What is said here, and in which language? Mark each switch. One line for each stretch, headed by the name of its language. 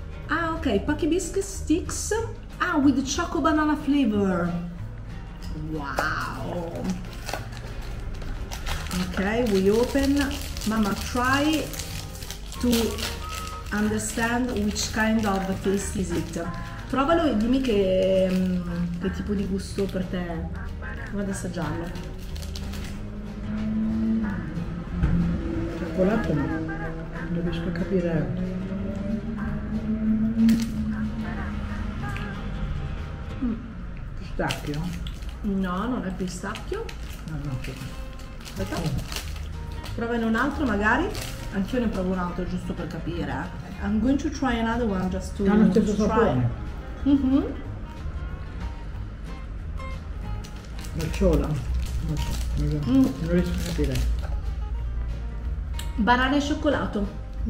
English: Okay, Pucky Biscuit sticks. With the choco banana flavor. Wow. Okay, we open. Mamma, try to understand which kind of taste is it.
Italian: Provalo e dimmi che tipo di gusto per te. Vado ad assaggiarlo. Cioccolato, no. Non riesco a capire. Pistacchio? No, non è pistacchio. No. Aspetta. Provane un altro magari. Anch'io ne provo un altro giusto per capire.
English: I'm going to try another one just to try.
Italian: Nocciola. Non riesco a capire. Banana e cioccolato.